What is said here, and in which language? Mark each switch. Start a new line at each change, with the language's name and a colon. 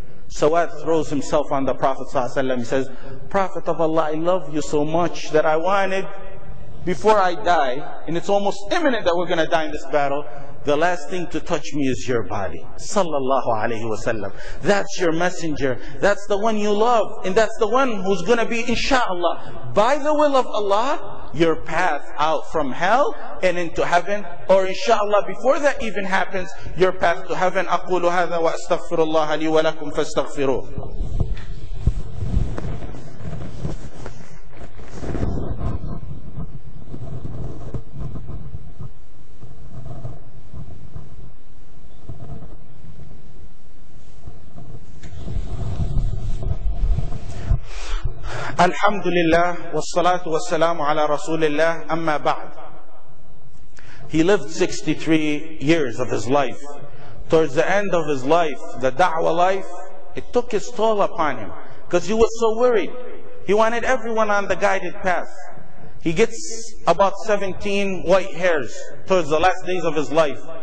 English: Sawad throws himself on the Prophet ﷺ. He says, Prophet of Allah, I love you so much that I wanted, before I die, and it's almost imminent that we're going to die in this battle, the last thing to touch me is your body. Sallallahu alayhi wa sallam. That's your messenger. That's the one you love. And that's the one who's going to be, inshallah, by the will of Allah, your path out from hell and into heaven. Or inshallah, before that even happens, your path to heaven.
Arabic: أقول هذا وأستغفر الله لي ولكم فاستغفروه. الحمد لله والصلاة والسلام على رسول الله أما بعد.
English: He lived 63 years of his life. Towards the end of his life, the da'wah life, it took its toll upon him because he was so worried. He wanted everyone on the guided path. He gets about 17 white hairs towards the last days of his life.